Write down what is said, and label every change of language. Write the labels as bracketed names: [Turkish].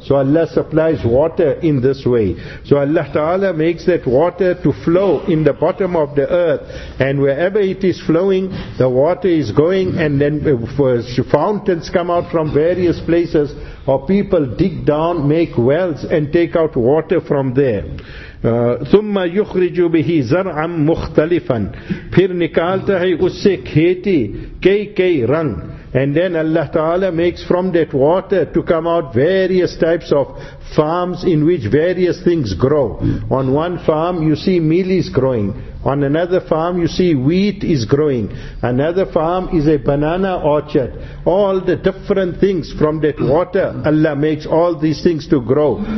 [English] So Allah supplies water in this way. So Allah Ta'ala makes that water to flow in the bottom of the earth. And wherever it is flowing, the water is going, and then fountains come out from various places, or people dig down, make wells, and take out water from there. [Arabic] ثُمَّ يُخْرِجُ بِهِ زَرْعًا [Urdu] مُخْتَلِفًا پھر نکالتا ہے اس سے کھیتی کئی کئی رنگ. [English] And then Allah Ta'ala makes from that water to come out various types of farms in which various things grow. On one farm you see millet is growing. On another farm you see wheat is growing. Another farm is a banana orchard. All the different things from that water, Allah makes all these things to grow.